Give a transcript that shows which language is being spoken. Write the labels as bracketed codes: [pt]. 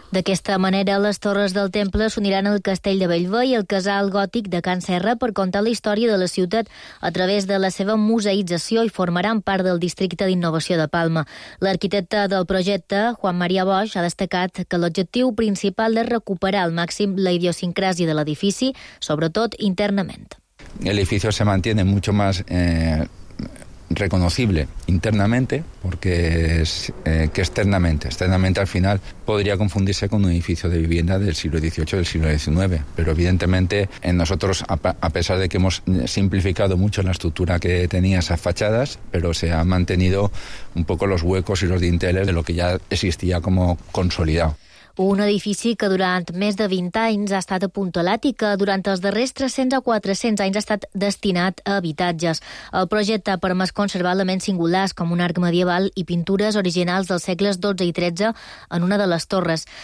[ca] D'aquesta manera, les Torres del Temple s'uniran al Castell de Bellver i al Casal Gòtic de Can Serra per contar la història de la ciutat a través de la seva museïtzació i formaran part del Districte d'Innovació de Palma. L'arquitecte del projecte, Juan María Bosch, ha destacat que l'objectiu principal és recuperar al màxim la idiosincràsia de l'edifici, sobretot internament. [es] El edificio se mantiene mucho más reconocible internamente, porque es que externamente. Externamente al final podría confundirse con un edificio de vivienda del siglo XVIII o del siglo XIX, pero evidentemente en nosotros, a pesar de que hemos simplificado mucho la estructura que tenía esas fachadas, pero se han mantenido un poco los huecos y los dinteles de lo que ya existía como consolidado. [ca] Un edifici que durant més de 20 anys ha estat apuntalat i que durant els darrers 300 o 400 anys ha estat destinat a habitatges. El projecte ha permès conservar elements singulars com un arc medieval i pintures originals dels segles XII i XIII en una de les torres.